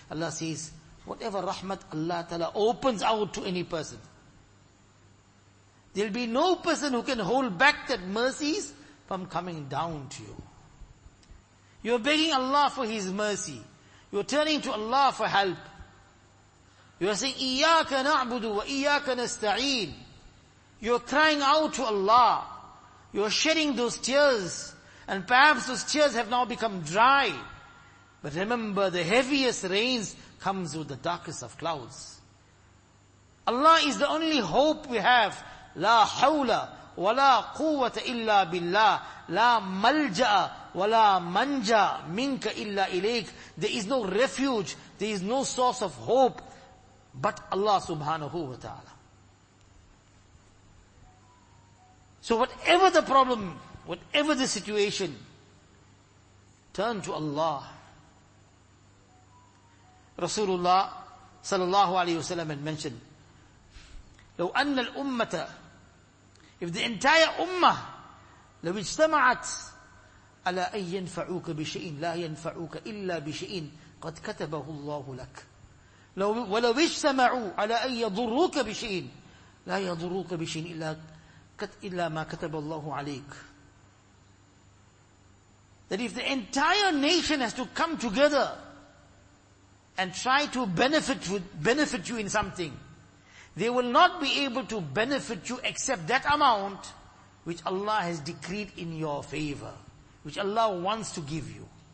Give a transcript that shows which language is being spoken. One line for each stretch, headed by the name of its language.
English: Allah says, whatever rahmat Allah Ta'ala opens out to any person, there'll be no person who can hold back that mercies from coming down to you. You're begging Allah for His mercy. You're turning to Allah for help. You're saying,
Arabic: إِيَّاكَ نَعْبُدُ وَإِيَّاكَ نَسْتَعِينُ.
English: You're crying out to Allah. You're shedding those tears. And perhaps those tears have now become dry. But remember, the heaviest rains comes with the darkest of clouds. Allah is the only hope we have.
Arabic: لا حول ولا قوة إلا بالله. لا ملجأ ولا منجا منك إلا إليك.
English: There is no refuge. There is no source of hope. But Allah subhanahu wa ta'ala. So whatever the problem, whatever the situation, turn to Allah. Rasulullah sallallahu alayhi wasallam had mentioned,
Arabic: لو أن الأمة,
English: if the entire ummah,
Arabic: لو اجتمعت على أن ينفعوك بشيء لا ينفعوك إلا بشيء قد كتبه الله لك. ولو اجتمعوا على أن يضروك بشيء لا يضروك بشيء إلا إلا ما كتب الله عليك.
English: That if the entire nation has to come together and try to benefit you in something, they will not be able to benefit you except that amount which Allah has decreed in your favor, which Allah wants to give you.